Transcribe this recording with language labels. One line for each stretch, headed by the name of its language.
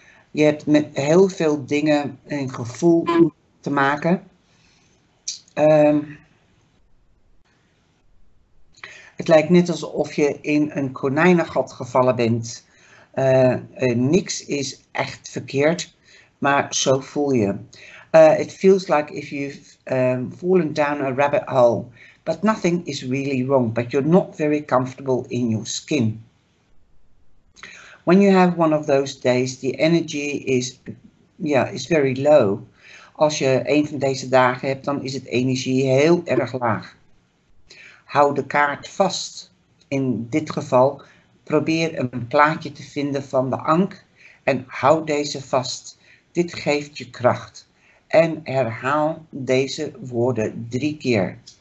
Dutch: Je hebt met heel veel dingen een gevoel te maken. Het lijkt net alsof je in een konijnengat gevallen bent. Niks is echt verkeerd, maar zo voel je.
English: It feels like if you've fallen down a rabbit hole, but nothing is really wrong, but you're not very comfortable in your skin. When you have one of those days, the energy is very low.
Dutch: Als je een van deze dagen hebt, dan is het energie heel erg laag. Hou de kaart vast. In dit geval, probeer een plaatje te vinden van de Ankh en hou deze vast. Dit geeft je kracht. En herhaal deze woorden 3 keer.